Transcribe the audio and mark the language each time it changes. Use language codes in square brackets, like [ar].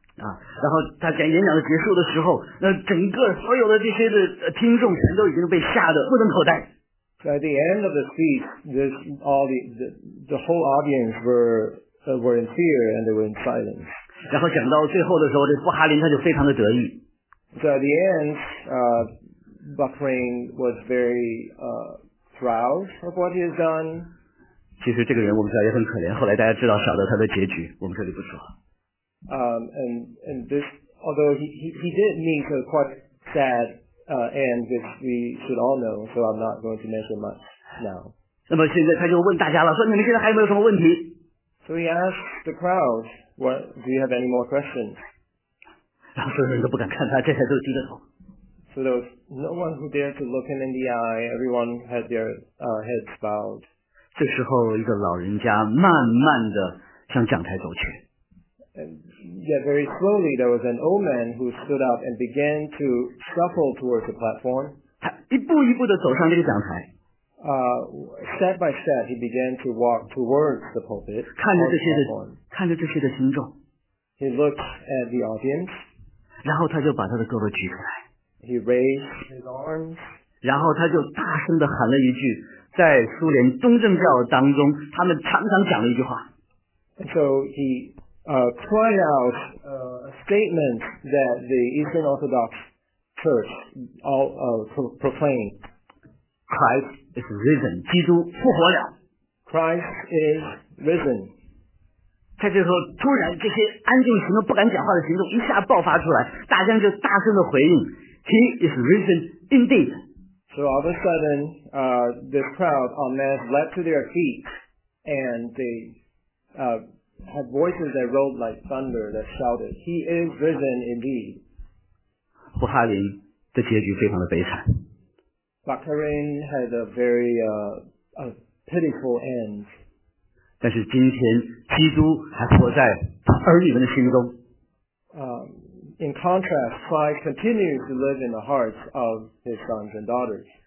[zh] 啊，然后他讲演讲的结束的时候，那整个所有的这些的听众全都已经被吓得目瞪口呆。 [en] At the end of the speech, the whole audience were in fear and they were in silence. [zh] 然后讲到最后的时候，这布哈林他就非常的得意。 [en] So at the end, Bakhrin was very proud of what he has done. [zh] 其实这个人我们知道也很可怜，后来大家知道晓得他的结局，我们这里不说。 [en] And this, although he did meet a quite sad and which we should all know, so I'm not going to mention much now. [zh] 那么现在他就问大家了，说你们现在还有没有什么问题？ [en] So he asked the crowd, "What do you have any more questions?" [zh] 然后所有人都不敢看他，这才都低着头。 [en] So there was no one who dared to look him in the eye. Everyone had their heads bowed. [zh] 这时候，一个老人家慢慢的向讲台走去。 [en] Yet very slowly, there was an old man who stood up and began to shuffle towards the platform. [zh] 他一步一步地走上这个讲台。 [en] Step by step, he began to walk towards the pulpit. [zh] 看着这些的听众。 [en] He looked at the audience. [zh] 然后他就把他的胳膊举起来。 [en] He raised his arms. [zh] 然后他就大声地喊了一句，在苏联东正教当中，他们常常讲的一句话。 [en] So he... cried out a statement that the Eastern Orthodox church all proclaim. Christ is risen, [zh] 基督复活了。 [en] Christ is risen. [zh] 他就说突然这些安静行动不敢讲话的行动一下爆发出来，大家就大声的回应， [en] He is risen indeed. So all of a sudden, this crowd of men leapt to their feet, and they had voices that rolled like thunder that shouted, He is risen indeed. [zh] 胡哈林的结局非常的悲惨。 [en] Bakarin had a very pitiful end. [zh] 但是今天基督还活在他儿女们的心中。 [en] In contrast, Christ continues to live in the hearts of his sons and daughters.